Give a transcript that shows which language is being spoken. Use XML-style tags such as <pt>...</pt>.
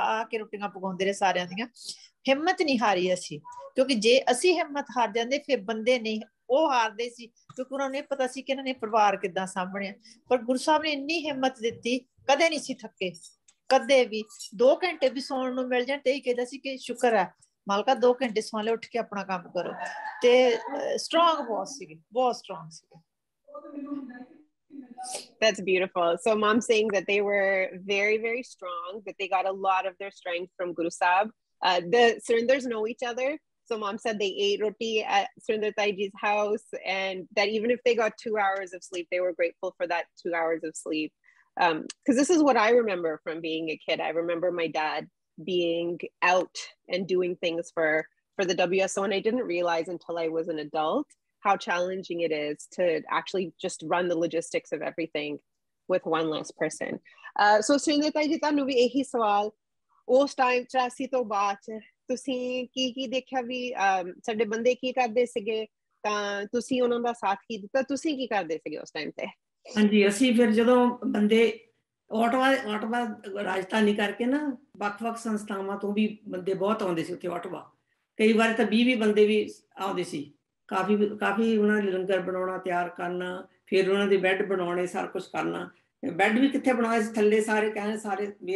<pa>ਕੇ ਰੋਟੀਆਂ ਪਕਾਉਂਦੇ ਰਹੇ ਸਾਰਿਆਂ ਦੀਆਂ ਹਿੰਮਤ ਨਹੀਂ ਹਾਰੀ ਅਸੀਂ ਕਿਉਂਕਿ ਜੇ ਅਸੀਂ ਹਿੰਮਤ ਹਾਰ ਜਾਂਦੇ ਫਿਰ ਬੰਦੇ ਨਹੀਂ ਉਹ ਹਾਰਦੇ ਸੀ ਕਿਉਂਕਿ ਉਹਨਾਂ ਨੂੰ ਪਤਾ ਸੀ ਕਿ ਇਹਨਾਂ ਨੇ ਪਰਿਵਾਰ ਕਿੱਦਾਂ ਸਾਂਭਣਿਆ ਪਰ ਗੁਰੂ ਸਾਹਿਬ ਨੇ ਇੰਨੀ ਹਿੰਮਤ ਦਿੱਤੀ ਕਦੇ ਨਹੀਂ ਸੀ ਥੱਕੇ ਕਦੇ ਵੀ 2 ਘੰਟੇ ਵੀ ਸੌਣ ਨੂੰ ਮਿਲ ਜਾਣ ਤੇ ਇਹ ਕਹਿੰਦਾ ਸੀ ਕਿ ਸ਼ੁਕਰ ਹੈ ਮਾਲਕਾ 2 ਘੰਟੇ ਸੌਂ ਲੈ ਉੱਠ ਕੇ ਆਪਣਾ ਕੰਮ ਕਰੋ ਤੇ ਸਟਰੋਂਗ ਬਹੁਤ ਸੀਗੇ ਬਹੁਤ ਸਟਰੋਂਗ ਸੀਗੇ</pa> <en>That's beautiful. So mom's saying that they were very, very strong, that they got a lot of their strength from Guru Sahib. The Surinders know each other. So mom said they ate roti at Surinder Taiji's house, and that even if they got 2 hours of sleep, they were grateful for that 2 hours of sleep. Because this is what I remember from being a kid. I remember my dad being out and doing things for the WSO, and I didn't realize until I was an adult how challenging it is to actually just run the logistics of everything with one less person.</en> <pa>So Surinder Taiji, tanu vi ehi sawal, os time 84 to baad ਤੁਸੀਂ ਕੀ ਦੇਖਿਆ ਵੀ ਸਾਡੇ ਬੰਦੇ ਕੀ ਕਰਦੇ ਸੀਗੇ ਤਾਂ ਤੁਸੀਂ ਉਹਨਾਂ ਦਾ ਸਾਥ ਕੀ ਦਿੱਤਾ ਤੁਸੀਂ ਕੀ ਕਰਦੇ ਸੀਗੇ ਉਸ ਟਾਈਮ ਤੇ ਹਾਂਜੀ ਅਸੀਂ ਫਿਰ ਜਦੋਂ ਬੰਦੇ ਆਟਵਾ ਰਾਜਧਾਨੀ ਕਰਕੇ ਨਾ ਵੱਖ ਵੱਖ ਸੰਸਥਾਵਾਂ ਤੋਂ ਵੀ ਬੰਦੇ ਬਹੁਤ ਆਉਂਦੇ ਸੀ ਉੱਥੇ ਆਟਵਾ ਕਈ ਵਾਰ ਤਾਂ 20 ਬੰਦੇ ਵੀ ਆਉਂਦੇ ਸੀ ਕਾਫੀ ਉਹਨਾਂ ਦੇ ਲੰਗਰ ਬਣਾਉਣਾ ਤਿਆਰ ਕਰਨਾ ਫਿਰ ਉਹਨਾਂ ਦੇ ਬੈੱਡ ਬਣਾਉਣੇ ਸਾਰਾ ਕੁਛ ਕਰਨਾ ਬੈੱਡ ਵੀ ਕਿੱਥੇ ਬਣਾਉਣੇ ਸੀ ਥੱਲੇ ਸਾਰੇ ਕਹਿੰਦੇ ਸਾਰੇ</pa>